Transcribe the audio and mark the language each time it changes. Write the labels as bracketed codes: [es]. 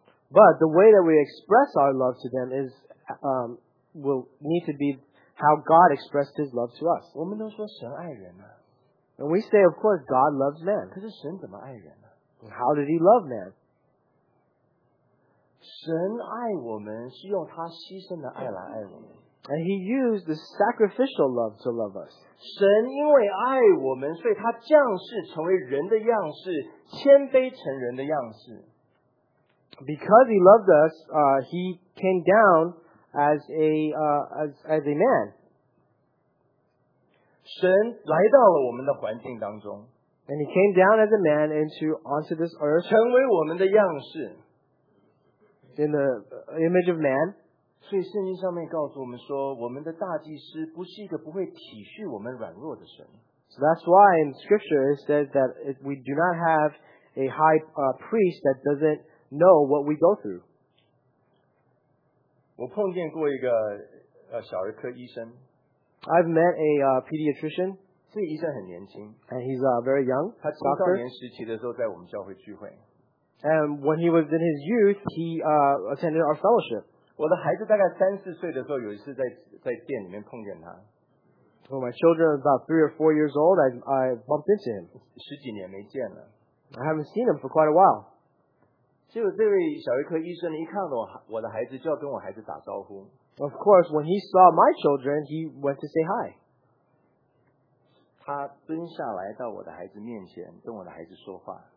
[en] but the way that we express our love to them is will need to be how God expressed His love to us. And we say, of course, God loves man. And how did He love man? [zh] 神爱我们是用他牺牲的爱来爱我们, [en] and He used the sacrificial love to love us. [zh] 神因为爱我们,所以他降世成为人的样式,谦卑成人的样式。 [en] Because He loved us, He came down as a man. [zh] 神来到了我们的环境当中, [en] and He came down as a man onto this earth, [zh] 成为我们的样式。 [en] In the image of man. [zh] 所以圣经上面告诉我们说, 我们的大祭司不是一个不会体恤我们软弱的神。 [en] So that's why in scripture it says that we do not have a high priest that doesn't know what we go through. [zh] 我碰见过一个, 小儿科医生, [en] I've met a pediatrician. [zh] 这个医生很年轻, [en] and he's very young. [zh] 他青少年时期的时候在我们教会聚会。 [en] And when he was in his youth, he attended our fellowship. [zh] 我的孩子大概三四岁的时候，有一次在店里面碰见他。 [en] when my children are about 3 or 4 years old, I bumped into him. [zh] 十几年没见了。 [en] I haven't seen him for quite a while. [zh] 结果这位小儿科医生一看到我的孩子就要跟我孩子打招呼。 [en] Of course, when he saw my children, he went to say hi. [zh] 他蹲下来到我的孩子面前跟我的孩子说话。